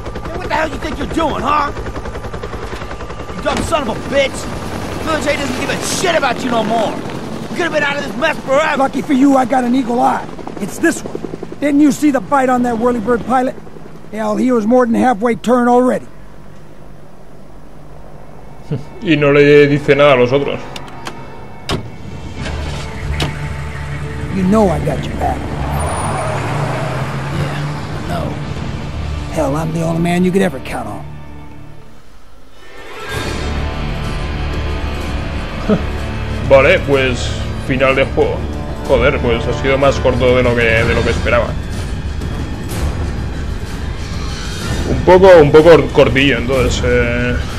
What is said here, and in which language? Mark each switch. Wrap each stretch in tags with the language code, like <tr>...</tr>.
<en>What the hell you think you're doing, huh? You dumb son of a bitch! Village A doesn't give a shit about you no more! We could have been out of this mess forever! Lucky for you, I got an eagle eye. It's this one. Didn't you see the bite on that Whirlybird pilot? Hell, he was more than halfway turned already.</en> <es>Y no le dice nada a los otros.</es> <en>You know I got your back. Hell, I'm the only man you could ever count on.</en> <es>Vale, pues final de juego. Joder, pues ha sido más corto de lo que esperaba. Un poco cortillo, entonces.</es>